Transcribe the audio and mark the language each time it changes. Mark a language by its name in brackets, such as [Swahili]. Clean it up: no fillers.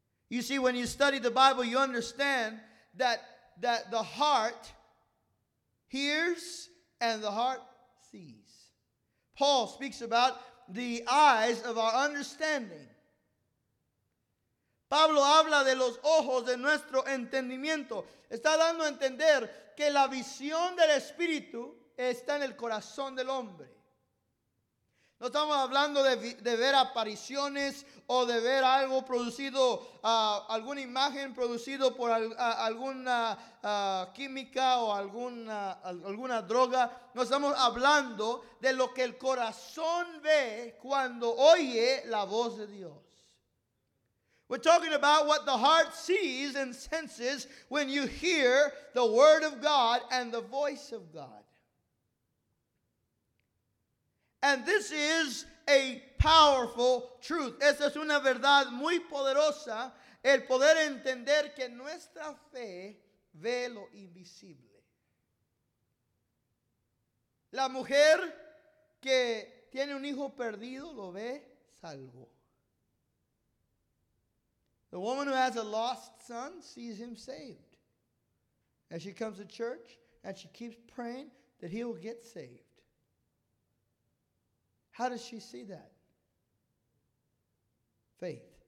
[English] You see, when you study the Bible, you understand that the heart hears and the heart sees. Paul speaks about the eyes of our understanding. [Spanish] Pablo habla de los ojos de nuestro entendimiento. Está dando a entender que la visión del Espíritu está en el corazón del hombre. No estamos hablando de ver apariciones o de ver algo producido, alguna imagen producido por alguna química o alguna droga. No estamos hablando de lo que el corazón ve cuando oye la voz de Dios. [English] We're talking about what the heart sees and senses when you hear the word of God and the voice of God. And this is a powerful truth. [Spanish] Esta es una verdad muy poderosa, el poder entender que nuestra fe ve lo invisible. La mujer que tiene un hijo perdido lo ve salvo. [English] The woman who has a lost son sees him saved. And she comes to church and she keeps praying that he will get saved. How does she see that? Faith.